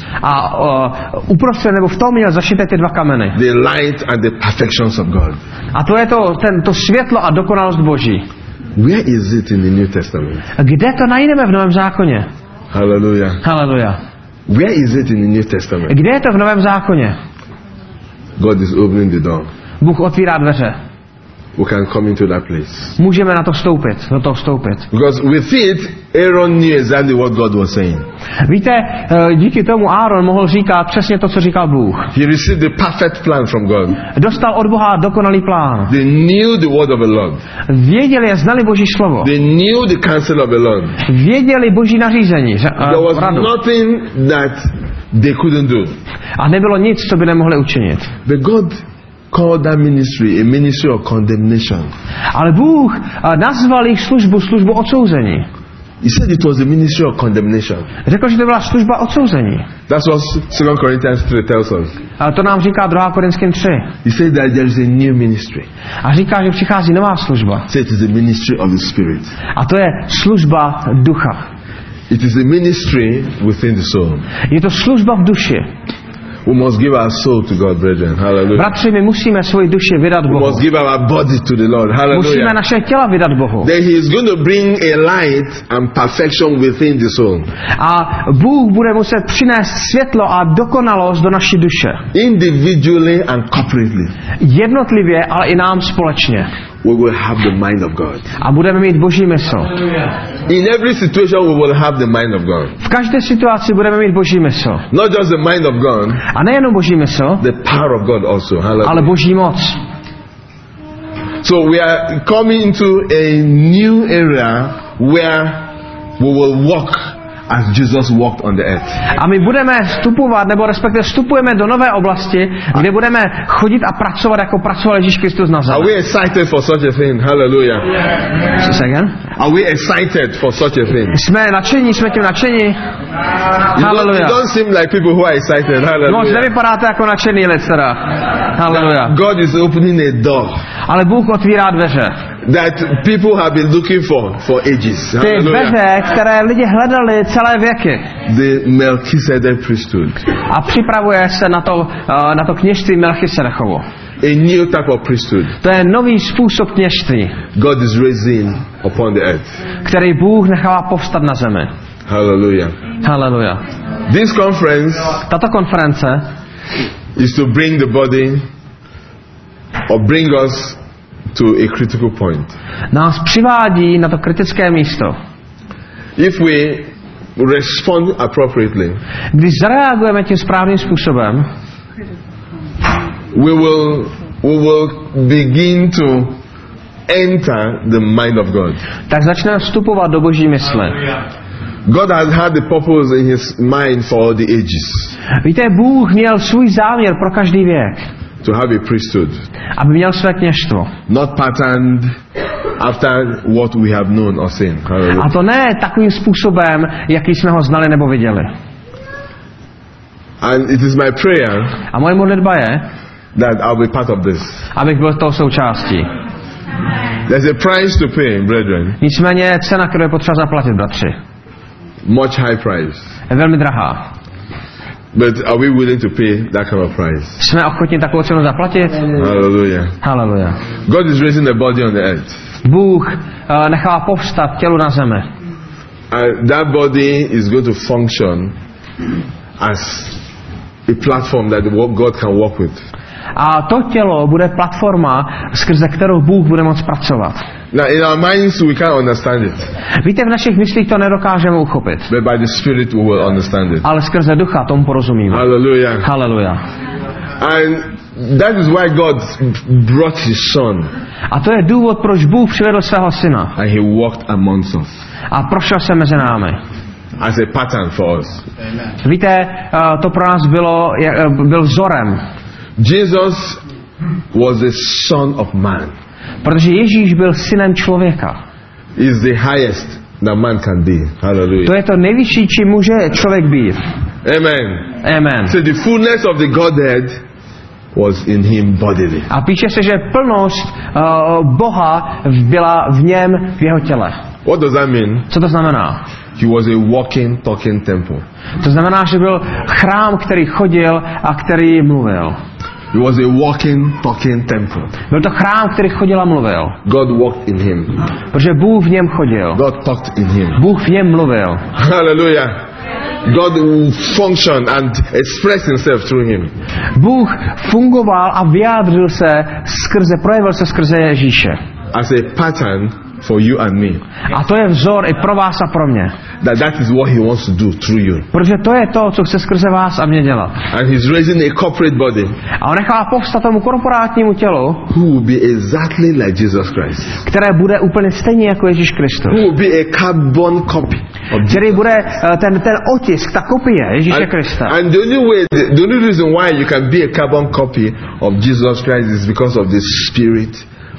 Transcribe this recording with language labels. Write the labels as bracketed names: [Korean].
[Czech] A uprostřed nebo v tom měl zašité ty dva kameny. [English] The light and the perfections of God. [Czech] A to je to světlo a dokonalost Boží. [English] Where is it in the New Testament? [Czech] Kde to najdeme v Novém zákoně? [English] Hallelujah. Hallelujah. Where is it in the New Testament? [Czech] Kde je to v Novém zákoně? [English] God is opening the door. [Czech] Bůh otvírá dveře. [English] We can come into that place. [Czech] Můžeme na to vstoupit, na to vstoupit. [English] Because with it, Aaron knew exactly what God was saying. [Czech] Víte, díky tomu Aaron mohl říkat přesně to, co říkal Bůh. [English] He received the perfect plan from God. [Czech] Dostal od Boha dokonalý plán. [English] They knew the word of the Lord. [Czech] Věděli a znali Boží slovo. [English] They knew the counsel of the Lord. [Czech] Věděli Boží nařízení. [English] There was nothing that they couldn't do. [Czech] A nebylo nic, co by nemohli učinit. [English] But God called that ministry a ministry of condemnation. [Czech] Ale Bůh nazval jich službu odsouzení. [English] He said it was a ministry of condemnation. [Czech] Řekl, že to byla služba odsouzení. [English] That's what 2 Corinthians 3 tells us. [Czech] A to nám říká 2 Korinským 3. [English] He said that there is a new ministry. [Czech] A říká, že přichází nová služba. [English] So it is the ministry of the Spirit. [Czech] A to je služba ducha. [English] It is a ministry within the soul. [Czech] Je to služba v duši. [English] We must give our soul to God, brethren. Hallelujah. [Czech] Bratři, my musíme svoji duši vydat Bohu. [English] We must give our body to the Lord. Hallelujah. [Czech] Musíme naše těla vydat Bohu. [English] Then he is going to bring a light and perfection within the soul. [Czech] A Bůh bude muset přinést světlo a dokonalost do naší duše. [English] Individually and corporately. [Czech] Jednotlivě, ale i nám společně. [English] We will have the mind of God. [Czech] A budeme mít Boží mysl. [English] In every situation we will have the mind of God. [Czech] V každé situaci budeme mít Boží mysl. [English] Not just the mind of God. [Czech] A nejenom Boží mysl. [English] The power of God also. Hallelujah. [Czech] Ale Boží moc. [English] So we are coming into a new era where we will walk as Jesus walked on the earth. [Czech] A my budeme vstupovat, nebo respektive vstupujeme do nové oblasti, kde budeme chodit a pracovat, jako pracoval Ježíš Kristus na zemi. [English] Are we excited for such a thing? Hallelujah. Yeah. Yeah. Say again? Are we excited for such a thing? [Czech] Jsme nadšení, jsme tím nadšení. [English] Hallelujah. You don't seem like people who are excited. Hallelujah. [Czech] Možná nevypadáte jako nadšení, letera. [English] Hallelujah. God is opening a door. [Czech] Ale Bůh otvírá dveře. [English] That people have been looking for ages. [Czech] Ty dveře, které lidi hledali celé věky. [English] The Melchizedek priesthood. [Czech] A připravuje se na to kněžství Melchisedechovo. [English] A new type of priesthood. [Czech] To je nový způsob kněžství. [English] God is raising upon the earth. [Czech] Který Bůh nechává povstat na zemi. [English] Hallelujah. Hallelujah. This conference. [Czech] Tato konference. [English] Is to bring the body. Or bring us to a critical point. [Czech] Nás přivádí na to kritické místo. [English] If we respond appropriately. [Czech] Když zareagujeme tím správným způsobem. [English] We will begin to enter the mind of God. [Czech] Tak začneme vstupovat do Boží mysle. [English] God has had the purpose in his mind for all the ages. [Czech] Víte, Bůh měl svůj záměr pro každý věk. [English] To have a priesthood. [Czech] Aby měl své kněžstvo. [English] Not patterned after what we have known or seen. [Czech] A to ne takovým způsobem, jaký jsme ho znali nebo viděli. [English] And it is my prayer. [Czech] A moje modlitba je, [English] that I'll be part of this. [Czech] Abych byl toho součástí. [English] There's a price to pay, brethren. [Czech] Nicméně je cena, kterou je potřeba zaplatit, bratři. [English] Much high price. [Czech] Je velmi drahá. [English] But are we willing to pay that kind of price? [Czech] Jsme ochotni takovou cenu zaplatit? [English] Hallelujah. Hallelujah. God is raising a body on the earth. [Czech] Bůh nechává povstat tělo na zemi. [English] And that body is going to function as a platform that God can work with. [Czech] A to tělo bude platforma, skrze kterou Bůh bude moct pracovat. [English] Now in our minds we can't understand it. [Czech] Víte, v našich myslích to nedokážeme uchopit. [English] But by the Spirit we will understand it. [Czech] Ale skrze ducha tomu porozumíme. [English] Hallelujah. Hallelujah. And that is why God brought his son. [Czech] A to je důvod, proč Bůh přivedl svého syna. [English] And he walked amongst us. [Czech] A prošel se mezi námi. [English] As a pattern for us. Amen. [Czech] Víte, to pro nás byl vzorem. [English] Jesus was the son of man. [Czech] Protože Ježíš byl synem člověka. [English] Is the highest that man can be. Hallelujah. [Czech] To je to nejvyšší, či může člověk být. [English] Amen. Amen. So the fullness of the Godhead was in him bodily. [Czech] A píše se, že plnost Boha byla v něm, v jeho těle. [English] What does that mean? [Czech] Co to znamená? [English] He was a walking, talking temple. [Czech] To znamená, že byl chrám, který chodil a který mluvil. [English] It was a walking, talking temple. [Czech] Byl to chrám, který chodil a mluvil. [English] God walked in him. [Czech] Protože Bůh v něm chodil. [English] God talked in him. [Czech] Bůh v něm mluvil. [English] Hallelujah. God functioned and expressed himself through him. [Czech] Bůh fungoval a vyjádřil se skrze, projevil se skrze Ježíše. [English] As a pattern for you and me. [Czech] A to je vzor i pro vás a pro mě. [English] That is what he wants to do through you. [Czech] Protože to je to, co chce skrze vás a mě dělat. [English] And he's raising a corporate body. [Czech] A on nechává povstat tomu korporátnímu tělu. [English] Who will be exactly like Jesus Christ? [Czech] Které bude úplně stejně jako Ježíš Kristus. [English] Who will be a carbon copy? [Czech] Který bude ten otisk, ta kopie Ježíše Krista. [English] And the only reason why you can be a carbon copy of Jesus Christ is because of the Spirit.